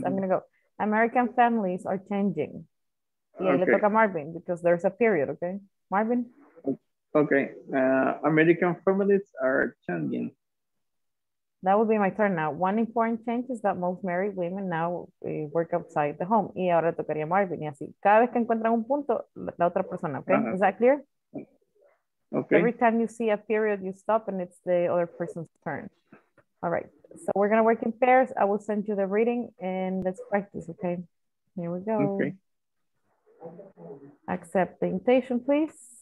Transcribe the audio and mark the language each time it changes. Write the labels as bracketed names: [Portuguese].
[English] I'm going to go, American families are changing. Yeah, okay. [Spanish] Le toca a [English] Marvin because there's a period, okay? Marvin? Okay, American families are changing. That would be my turn now. One important change is that most married women now work outside the home. [Spanish] Y ahora tocaría Marvin, y así. Cada vez que encuentran un punto, la otra persona, okay? [English] Uh-huh. Is that clear? Okay. Every time you see a period, you stop and it's the other person's turn. All right, so we're gonna work in pairs. I will send you the reading and let's practice, okay? Here we go. Okay. Accept the invitation, please.